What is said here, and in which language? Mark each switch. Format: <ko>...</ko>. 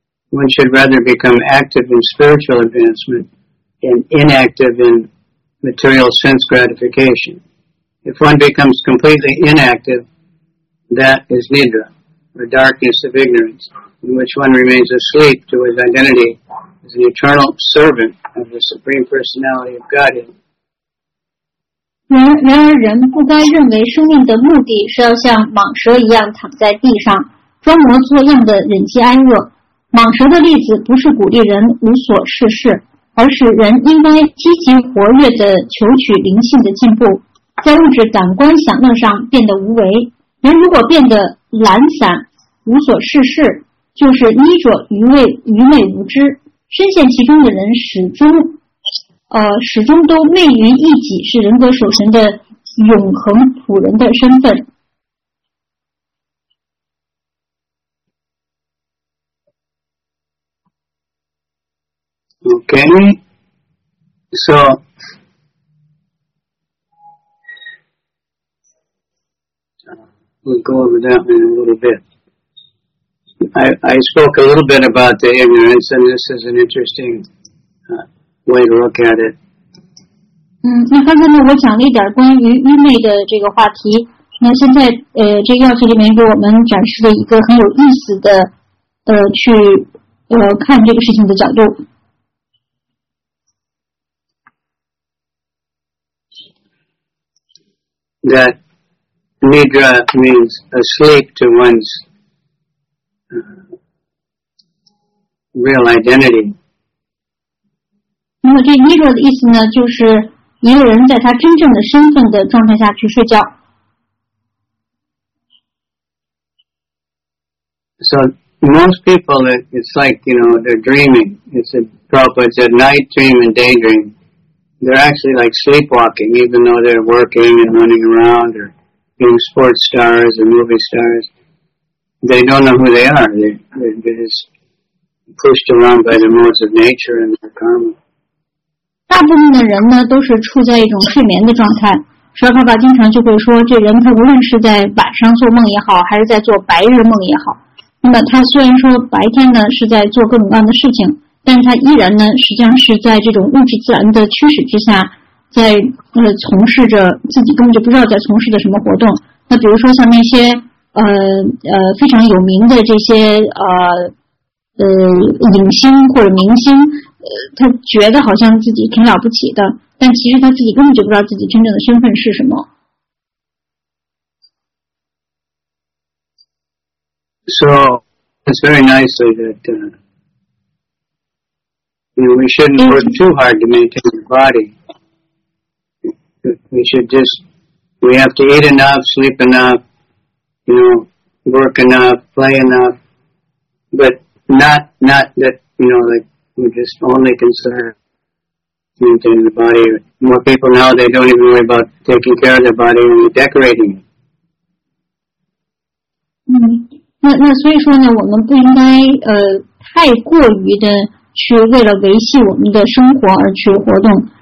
<en>One should rather become active in spiritual advancement and inactive in material sense gratification. If one becomes completely inactive, that is nidra, the darkness of ignorance, in which one remains asleep to his identity as an eternal servant of the Supreme Personality of Godhead.</en> <zh>然而人不该认为生命的目的是要像蟒蛇一样躺在地上装模作样的忍饥挨饿。蟒蛇的例子不是鼓励人无所事事，而是人应该积极活跃地求取灵性的进步，在物质感官享乐上变得无为。人如果变得懒散无所事事，就是依着愚昧无知，深陷其中的人始终都昧于一己是人格守神的永恒仆人的身份。</zh> <en>Okay, so we'll go over that in a little bit. I spoke a little bit about the ignorance, and this is an interesting. Way to look at it.</en> <zh>那刚才呢，我讲了一点关于愚昧的这个话题。那现在，这个药学里面给我们展示了一个很有意思的，去看这个事情的角度。</zh> <en>That nidra means asleep to one's real identity.</en> <zh>那么这 nidra 的意思呢，就是一个人在他真正的身份的状态下去睡觉。</zh> <en>So most people, it's like, you know, they're dreaming. It's a Prabhupada said night dream and day dream. They're actually like sleepwalking, even though they're working and running around or being sports stars or movie stars. They don't know who they are. They're just pushed around by the modes of nature and their karma.</en> <zh>大部分的人呢都是处在一种睡眠的状态。舍法巴经常就会说，这人他无论是在晚上做梦也好，还是在做白日梦也好，那么他虽然说白天呢是在做各种各样的事情，但是他依然呢实际上是在这种物质自然的驱使之下，在从事着自己根本就不知道在从事的什么活动。那比如说像那些非常有名的这些影星或者明星，他觉得好像自己挺了不起的，但其实他自己根本就不知道自己真正的身份是什么。</zh> <en>So it's very nicely that you know, we shouldn't work too hard to maintain the body. We have to eat enough, sleep enough, you know, work enough, play enough, but not that, you know, like we're just only concerned maintaining the body. More people now, they don't even worry about taking care of their body and decorating it. Mm-hmm.</en> <zh>那所以说呢，我们不应该太过于的去为了维系我们的生活而去活动。</zh>